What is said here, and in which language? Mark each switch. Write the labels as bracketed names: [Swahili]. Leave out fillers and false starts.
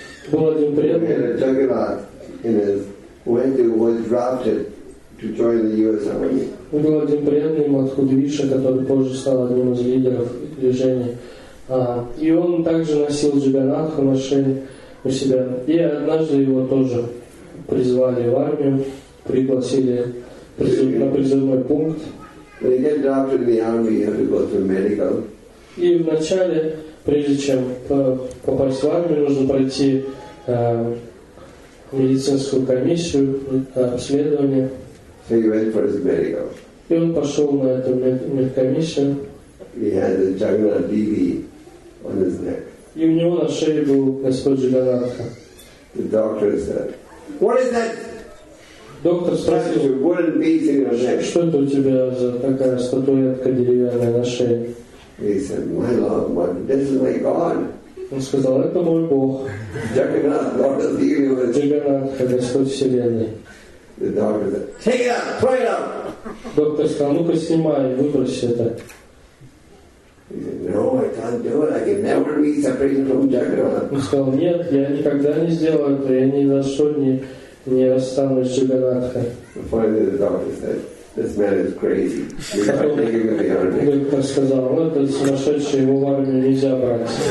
[Russian] Был один преданный Мадху Двиша, который позже стал одним из лидеров движения. И он также носил Джаганатху на шее у себя. И однажды его тоже призвали в армию, пригласили на призывной пункт. [English] When you get drafted in the army, you have to go through medical. [Russian] И вначале, прежде чем попасть в армию, нужно пройти медицинскую комиссию, обследование. [English] So he went for his medical. [Russian] И он пошел на эту медкомиссию. [English] He had a Jagannath Devi on his neck. [Russian] И у него на шее был Господь Джаганатха. [English] The doctor said, "What is that?" [Russian] Доктор спросил, что это у тебя за такая статуэтка деревянная на шее? [English] He said, "My Lord, my, this is my God." [Russian] Он сказал, это мой Бог. [English] Jagannath, Lord of the universe. [Russian] Jagannath, Господь Вселенной. [English] The doctor said, "Take it out, throw it out." [Russian] Доктор сказал, ну-ка снимай, выброси это. [English] He said, "No, I can't do it. I can never be separated from Jagannath." [Russian] Он сказал, нет, я никогда не сделаю это, я ни за что не... не останусь Джаганатха. [English] Finally, the doctor said, "This man is crazy. You can't take him to the army." [Russian] Доктор сказал, "Ну, этот сумасшедший, его в армию нельзя брать.